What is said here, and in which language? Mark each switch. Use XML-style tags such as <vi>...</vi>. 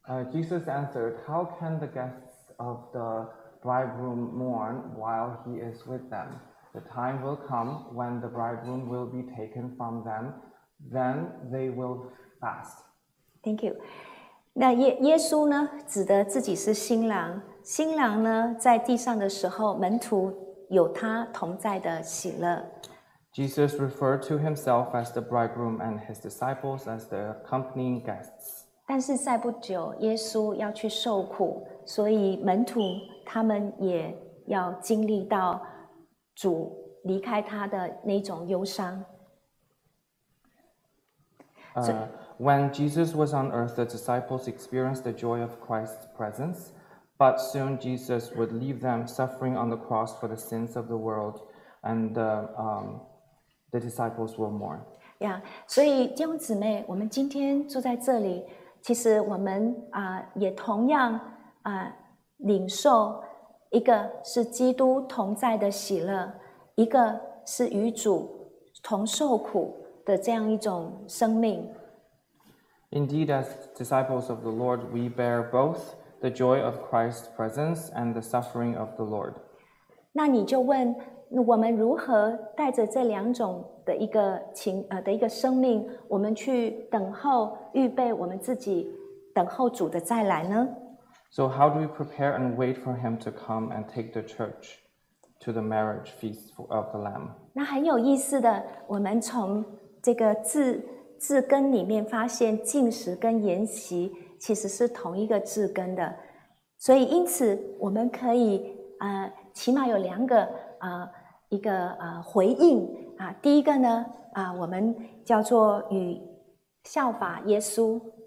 <en>Jesus answered, "How can the guests of the bridegroom mourn while he is with them? The time will come when the bridegroom will be taken from them. Then they will fast." Thank you.</en> <zh>那耶稣呢，指的自己是新郎。新郎呢，在地上的时候，门徒有他同在的喜乐。</zh> <en>Jesus referred to himself as the bridegroom and his disciples as the accompanying guests.</en> <zh>但是再不久，耶稣要去受苦，所以门徒他们也要经历到主离开他的那种忧伤。</zh> <en>When Jesus was on earth, the disciples experienced the joy of Christ's presence, but soon Jesus would leave them suffering on the cross for the sins of the world, and the disciples will mourn.</en> <zh>Yeah, 所以弟兄姊妹，我们今天住在这里，其实我们也同样领受一个是基督同在的喜乐，一个是与主同受苦的这样一种生命。</zh> <en>Indeed, as disciples of the Lord, we bear both the joy of Christ's presence and the suffering of the Lord.</en> <zh>那你就问。我们如何带着这两种的一个情的一个生命，我们去等候预备我们自己等候主的再来呢</zh> <en>？So how do we prepare and wait for Him to come and take the church to the marriage feast of the Lamb？那很有意思的，我们从这个字根里面发现，禁食跟筵席其实是同一个字根的，所以因此我们可以起码有两个。一个回应第一个呢我们叫做与效法耶稣。</en>